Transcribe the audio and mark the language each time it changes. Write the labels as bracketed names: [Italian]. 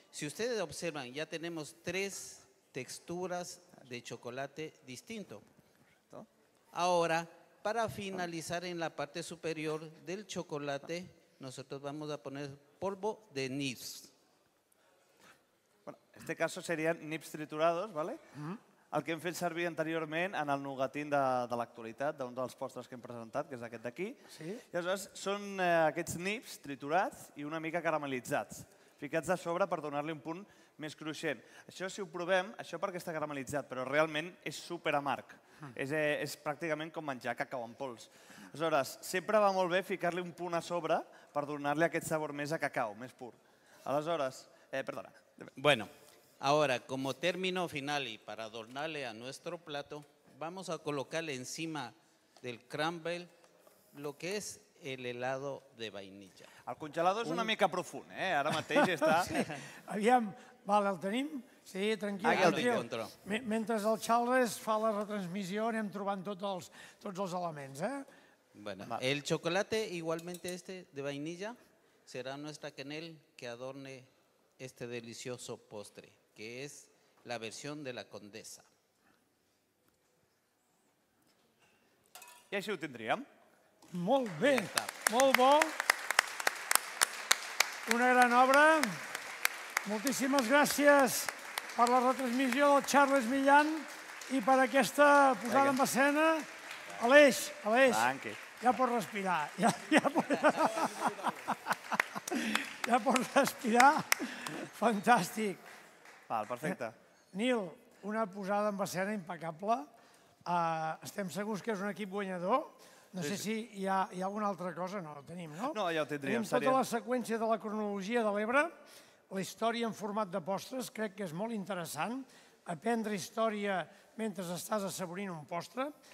[Spanish] Si ustedes observan, ya tenemos tres texturas de chocolate distinto. Perfecto. Ahora, para finalizar en la parte superior del chocolate, nosotros vamos a poner polvo de nibs. Bueno, en este caso serían nibs triturados, ¿vale? [Catalan] El que hem fet servir anteriorment en el nougatín de l'actualitat, d'un dels postres que hem presentat, que és aquest d'aquí. Sí. Llavors, són aquests nibs triturats i una mica caramelitzats, ficats de sobre per donar-li un punt més cruixent. Això, si ho provem, això perquè està caramelitzat, però realment és super amarg. És pràcticament com menjar cacau en pols. Aleshores, sempre va molt bé ficar-li un punt a sobre per donar-li aquest sabor més a cacau, més pur. Aleshores, perdona. Bueno. [Spanish] Ahora, como término final y para adornarle a nuestro plato, vamos a colocarle encima del crumble lo que es el helado de vainilla. El congelado es [Catalan] una mica profund, [Spanish] ¿eh? [Catalan] Ara mateix està... Sí. Aviam, vale, el tenim? Sí, tranquil. [Spanish] Aquí el encontro. [Catalan] Mentre el Charles fa la retransmissió, anem trobant tots els elements, ¿eh? [Spanish] Bueno, vale. El chocolate, igualmente este de vainilla, será nuestra quenel que adorne este delicioso postre, que es la versión de la condesa. [Catalan] I així ho tindríem. Molt bé, molt bo. Una gran obra. Moltíssimes gràcies per la retransmissió del Charles Millán i per aquesta posada en escena. Aleix, Aleix, ja pots respirar. Ja pots respirar. Fantàstic. Val, perfecte. Nil, una posada en escena impecable. Estem segurs que és un equip guanyador. No sé si hi ha alguna altra cosa. No, tenim, no? No, ja ho tindríem. Tenim tota la seqüència de la cronologia de l'Ebre, la història en format de postres. Crec que és molt interessant aprendre història mentre estàs assaborint un postre.